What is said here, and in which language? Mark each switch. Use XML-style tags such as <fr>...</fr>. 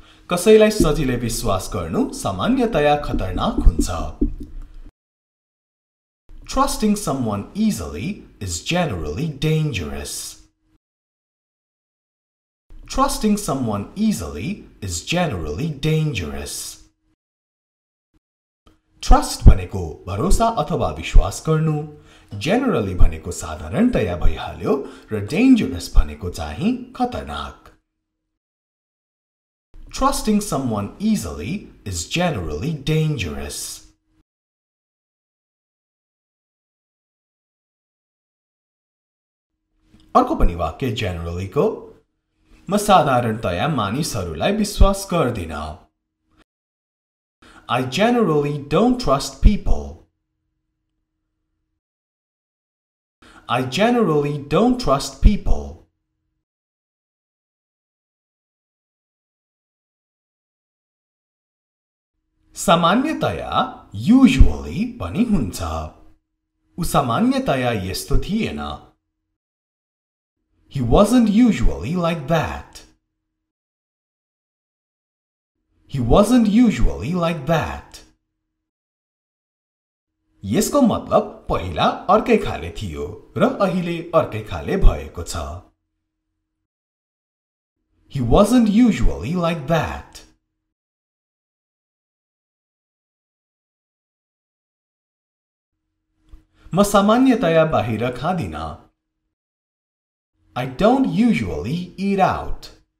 <ne>कसैलाई सजिलै विश्वास गर्नु सामान्यतया खतरनाक हुन्छ.</ne> <en>Trusting someone easily is generally dangerous. Trusting someone easily is generally dangerous.</en> <ne>Trust भनेको भरोसा अथवा विश्वास गर्नु, generally भनेको साधारणतया भइहाल्यो र dangerous भनेको चाहिँ खतरनाक.</ne> <en>Trusting someone easily is generally dangerous.</en> <ne>अर्को पनि वाक्य generally को म साधारणतया मानिसहरूलाई विश्वास गर्दिन.</ne> <en>I generally don't trust people. I generally don't trust people.</en> <ne>सामान्यतया usually पनि हुन्छ. उ सामान्यतया यस्तो थिएन.</ne> <en>He wasn't usually like that. He wasn't usually like that.</en> <ne>यसको मतलब पहिला अर्कै खाले थियो र अहिले अर्कै खाले भएको छ.</ne> <en>He wasn't usually like that.</en> <ne>म सामान्यतया बाहिर खादिन.</ne> <en>I don't usually eat out.</en>